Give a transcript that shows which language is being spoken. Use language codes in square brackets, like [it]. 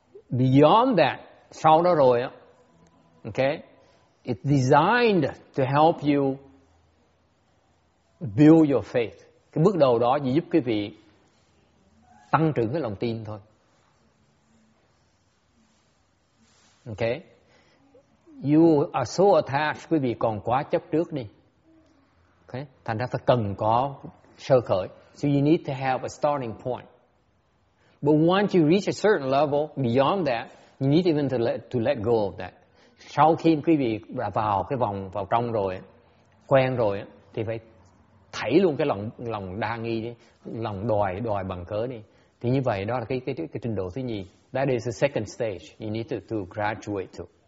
[en] Beyond that, [vi] sau đó rồi, [en] okay, it's designed to help you build your faith. [vi] Cái bước đầu đó chỉ giúp quý vị tăng trưởng cái lòng tin thôi. Okay, [en] you are so attached, [vi] quý vị còn quá chấp trước đi. Okay, thành ra phải cần có sơ khởi. [en] So you need to have a starting point. But once you reach a certain level, beyond that, you need even to let go of that. [vi] Sau khi quý vị vào cái vòng vào trong rồi, quen rồi, thì phải thảy luôn cái lòng đa nghi, lòng đòi bằng cớ đi. Thì như vậy, đó là cái trình độ thứ nhì. [en] That is the second stage you need to graduate to.